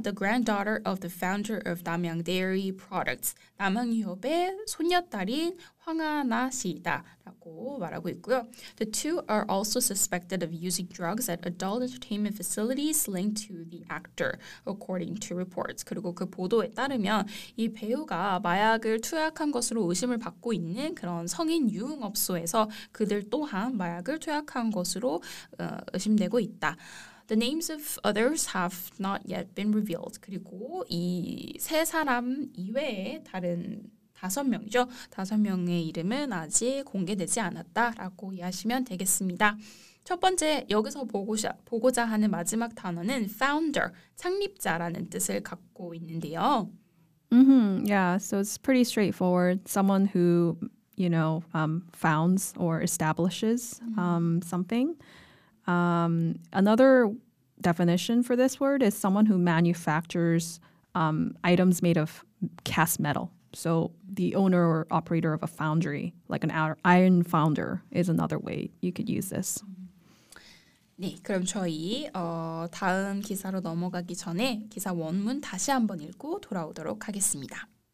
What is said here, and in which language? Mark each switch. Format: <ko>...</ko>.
<en>the granddaughter of the founder of 남양 Dairy Products,</en> <ko>남양유업의 손녀딸인 황하나 씨다 라고 말하고 있고요.</ko> <en>The two are also suspected of using drugs at adult entertainment facilities linked to the actor, according to reports.</en> <ko>그리고 그 보도에 따르면 이 배우가 마약을 투약한 것으로 의심을 받고 있는 그런 성인 유흥업소에서 그들 또한 마약을 투약한 것으로 의심되고 있다.</ko> <en>The names of others have not yet been revealed.</en> <ko>그리고 이 세 사람 이외에 다른 다섯 명이죠. 다섯 명의 이름은 아직 공개되지 않았다라고 이해하시면 되겠습니다. 첫 번째 여기서 보고자 하는 마지막 단어는 founder, 창립자라는 뜻을 갖고 있는데요.</ko> <en>Mm-hmm. Yeah, so it's pretty straightforward. Someone who, you know, founds or establishes something. Another definition for this word is someone who manufactures items made of cast metal. So the owner or operator of a foundry, like an iron founder, is another way you could use this.</en> <ko>네, 그럼 저희 다음 기사로 넘어가기 전에 기사 원문 다시 한번 읽고 돌아오도록 하겠습니다.</ko>